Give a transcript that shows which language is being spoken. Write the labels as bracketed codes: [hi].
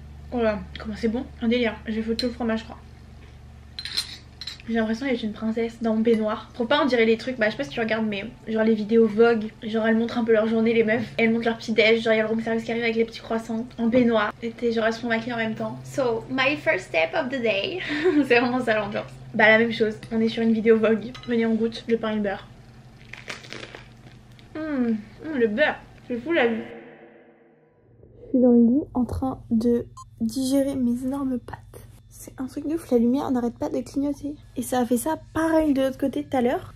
[fr] Oh là, comment c'est bon. Un délire. J'ai foutu tout le fromage, je crois. J'ai l'impression d'être une princesse dans mon baignoire. Faut pas en dire les trucs, bah je sais pas si tu regardes, mais genre les vidéos Vogue, genre elles montrent un peu leur journée, les meufs. Elles montrent leur petit déj, genre il y a le room service qui arrive avec les petits croissants en baignoire. Et t'es genre elles se font maquiller en même temps. [en] So, my first step of the day. [fr] C'est vraiment ça l'ambiance. Bah la même chose, on est sur une vidéo Vogue. Venez, on goûte le pain et le beurre. Le beurre, c'est fou la vue. Je suis dans le lit en train de digérer mes énormes pâtes. C'est un truc de ouf, la lumière n'arrête pas de clignoter. Et ça a fait ça pareil de l'autre côté tout à l'heure.